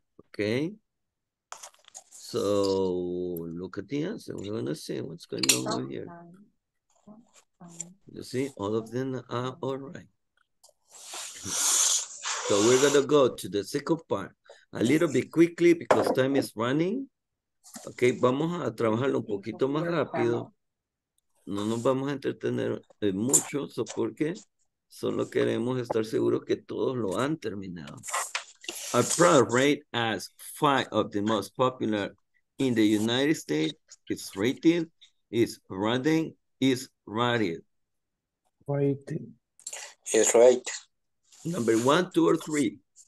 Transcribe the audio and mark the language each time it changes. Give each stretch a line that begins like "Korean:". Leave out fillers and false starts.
English: Okay. So look at the answer. We're going to see what's going on over here. You see, all of them are all right. So we're going to go to the second part. A little bit quickly because time is running.
Spanish: Okay, vamos a trabajarlo un poquito más rápido. No nos vamos a entretener mucho, so porque solo queremos estar seguros que todos lo han terminado.
English: Our product rate as five of the most popular in the United States is rated, is running, is rated. Rated. It's right. Number one, two, or three?